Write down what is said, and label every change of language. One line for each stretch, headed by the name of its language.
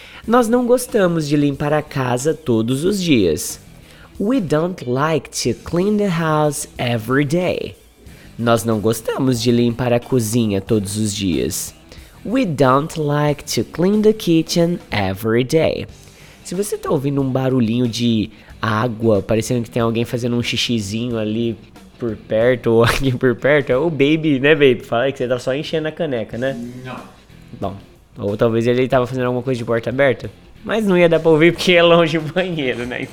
Portuguese: Nós não gostamos de limpar a casa todos os dias.
English: We don't like to clean the house every day.
Portuguese: Nós não gostamos de limpar a cozinha todos os dias.
English: We don't like to clean the kitchen every day.
Portuguese: Se você tá ouvindo um barulhinho de água, parecendo que tem alguém fazendo um xixizinho ali por perto, ou aqui por perto, é o baby, né, baby? Fala aí que você tá só enchendo a caneca, né? Não. Bom, ou talvez ele tava fazendo alguma coisa de porta aberta, mas não ia dar pra ouvir porque é longe o banheiro, né?